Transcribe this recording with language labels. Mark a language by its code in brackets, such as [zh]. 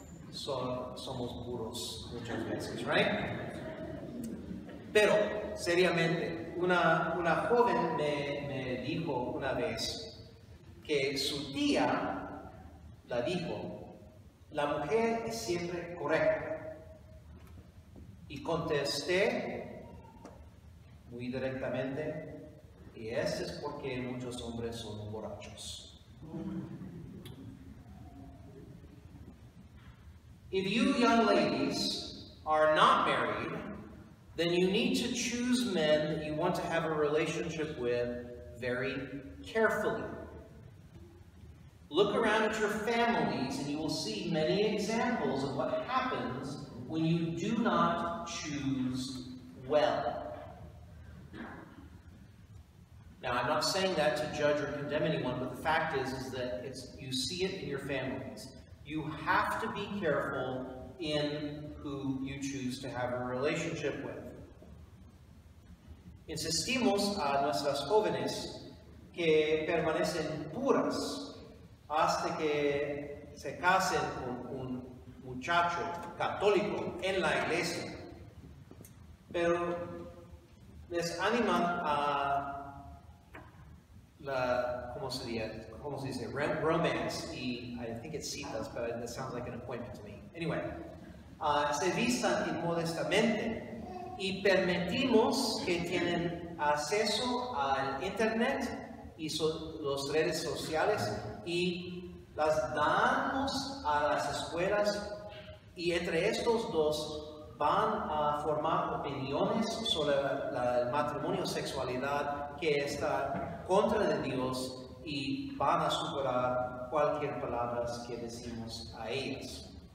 [es] Somos puros muchas veces, [en] right? [es] Pero, seriamente, una joven me dijo una vez que su tía la dijo, la mujer es siempre correcta. Y contesté muy directamente, y eso es porque muchos hombres son borrachos. [en] If you young ladies are not married, then you need to choose men that you want to have a relationship with very carefully. Look around at your families and you will see many examples of what happens when you do not choose well. Now, I'm not saying that to judge or condemn anyone, but the fact is that you see it in your families. You have to be careful in who you choose to have a relationship with. [es] Insistimos a nuestras jóvenes que permanecen puras hasta que se casen con un muchacho católico en la iglesia. Pero les animan a la, ¿cómo sería? ¿Cómo se dice? Romance. [en] Y I think it's [es] citas, [en] but it sounds like an appointment to me. Anyway, [es] se vistan inmodestamente y permitimos que tienen acceso al internet y las redes sociales y las damos a las escuelas y entre estos dos van a formar opiniones sobre el matrimonio, sexualidad, que está contra de Dios y van a superar cualquier palabra que decimos a ellas.